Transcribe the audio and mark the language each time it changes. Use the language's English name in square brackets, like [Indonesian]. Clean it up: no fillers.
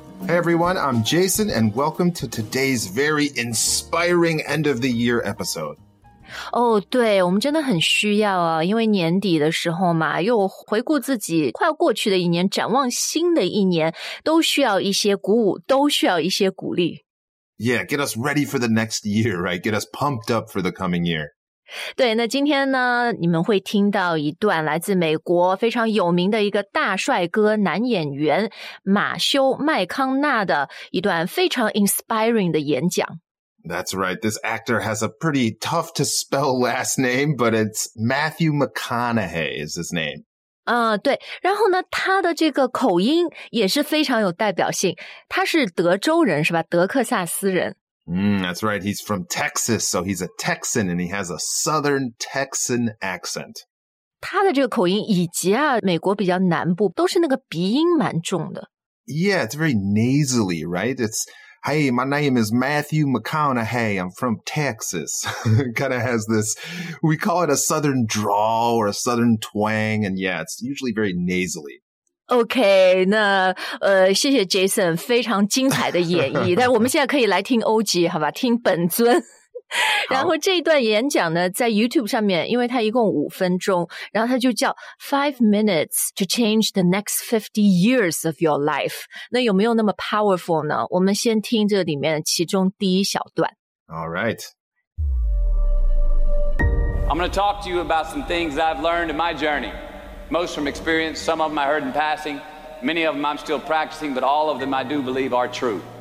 [English] Hey everyone, I'm Jason, and welcome to today's very inspiring end of the year episode. [Chinese] Oh, 对，我们真的很需要啊，因为年底的时候嘛，又回顾自己快要过去的一年，展望新的一年，都需要一些鼓舞，都需要一些鼓励。 [English] Yeah, get us ready for the next year, right? Get us pumped up for the coming year. [Chinese] 对，那今天呢，你们会听到一段来自美国非常有名的一个大帅哥男演员马修麦康纳的一段非常 [English] inspiring [Chinese] 的演讲。 [English] That's right. This actor has a pretty tough to spell last name, but it's Matthew McConaughey is his name. [Chinese] 对。然后呢，他的这个口音也是非常有代表性。他是德州人，是吧？德克萨斯人。 [English] That's right. He's from Texas, so he's a Texan, and he has a Southern Texan accent. 他的这个口音以及啊，美国比较南部都是那个鼻音蛮重的。 Yeah, it's very nasally, right? It's, hey, my name is Matthew McConaughey. I'm from Texas. kind of has this, we call it a Southern drawl or a Southern twang, and yeah, it's usually very nasally. [Chinese] Okay, 那谢谢 Jason, 非常精彩的演绎。但我们现在可以来听 OG, 好吧，听本尊。然后这一段演讲呢，在 YouTube 上面，因为它一共五分钟，然后它就叫 [English] Five Minutes to Change the Next 50 Years of Your Life。 [Chinese] 那有没有那么 [English] powerful [Chinese] 呢？我们先听这里面其中第一小段。 [English] All right. I'm going to talk to you about some things I've learned in my journey. Most from experience, some of them I heard in passing. Many of them I'm still practicing, but all of them I do believe are true.